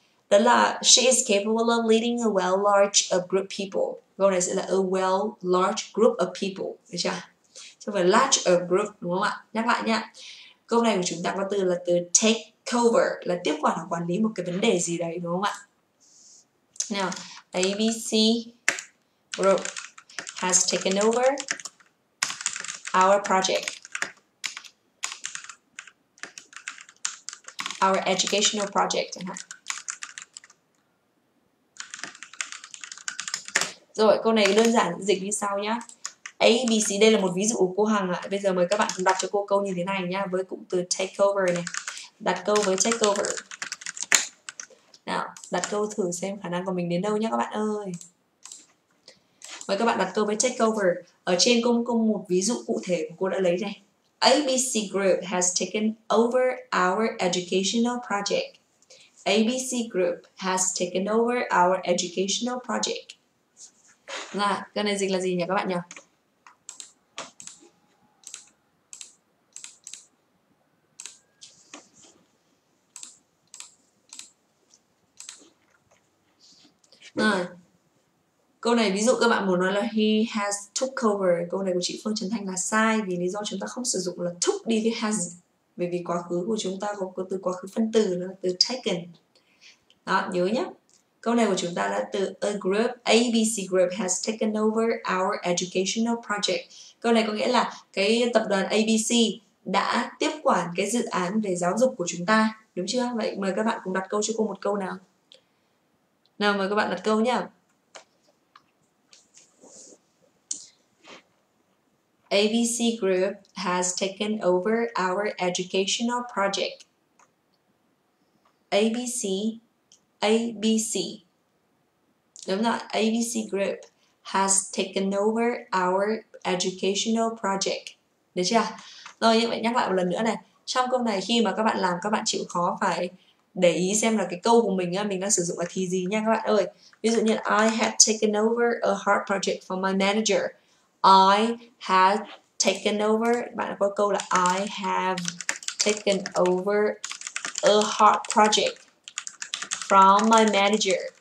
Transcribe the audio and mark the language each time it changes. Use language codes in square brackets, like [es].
[vi] Đó là [en] she is capable of leading a well large of group people. [vi] Câu này sẽ là [en] a well large group of people. [vi] Được chưa? Chứ phải [en] large of group, [vi] đúng không ạ? Nhắc lại nhá. Câu này của chúng ta có từ là từ take over, là tiếp quản hoặc quản lý một cái vấn đề gì đấy, đúng không ạ? [en] Now, ABC group has taken over our project, our educational project. [vi] Rồi, câu này đơn giản dịch như sau nhá. ABC, đây là một ví dụ của cô Hằng ạ. Bây giờ mời các bạn cùng đặt cho cô câu như thế này nhá, với cụm từ take over này. Đặt câu với take over. Nào, đặt câu thử xem khả năng của mình đến đâu nhá các bạn ơi. Mời các bạn đặt câu với take over. Ở trên cô cũng có một ví dụ cụ thể mà cô đã lấy này. [en] ABC Group has taken over our educational project. ABC Group has taken over our educational project. [vi] Nào, câu này dịch là gì nhỉ các bạn nhỉ? Câu này ví dụ các bạn muốn nói là [en] he has took over, [vi] câu này của chị Phương Trần Thanh là sai, vì lý do chúng ta không sử dụng là took đi với has, bởi vì quá khứ của chúng ta có từ quá khứ phân từ là từ taken. Đó, nhớ nhé, câu này của chúng ta là từ a group, [en] ABC group has taken over our educational project. [vi] Câu này có nghĩa là cái tập đoàn ABC đã tiếp quản cái dự án về giáo dục của chúng ta, đúng chưa? Vậy mời các bạn cùng đặt câu cho cô một câu nào. Nào, mời các bạn đặt câu nhé. [en] ABC Group has taken over our educational project. ABC, ABC. [vi] Đúng rồi, [en] ABC Group has taken over our educational project. [vi] Được chưa? Rồi, như vậy nhắc lại một lần nữa này. Trong câu này, khi mà các bạn làm, các bạn chịu khó phải để ý xem là cái câu của mình đang sử dụng là thì gì nha các bạn ơi. Ví dụ như [en] I had taken over a hard project from my manager. I had taken over, [vi] bạn có câu là [en] I have taken over a hard project from my manager.